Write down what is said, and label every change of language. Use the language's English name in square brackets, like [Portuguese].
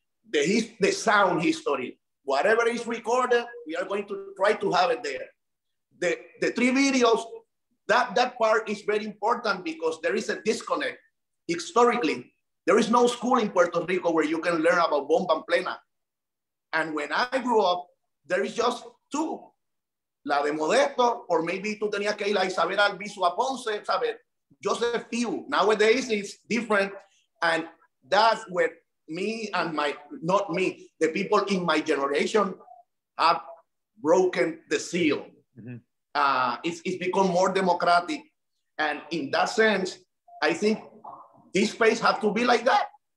[English] The sound history, whatever is recorded, we are going to try to have it there. The three videos, that part is very important because there is a disconnect. Historically, there is no school in Puerto Rico where you can learn about bomba and plena. And when I grew up, there is just two. [Spanish] La de Modesto, [English] or maybe [Spanish] tú tenías que ir a Isabel Albizu a Ponce, ¿sabes? [English] Just a few. Nowadays, it's different. And that's where the people in my generation have broken the seal. Mm-hmm. It's become more democratic. And in that sense, I think this space has to be like that.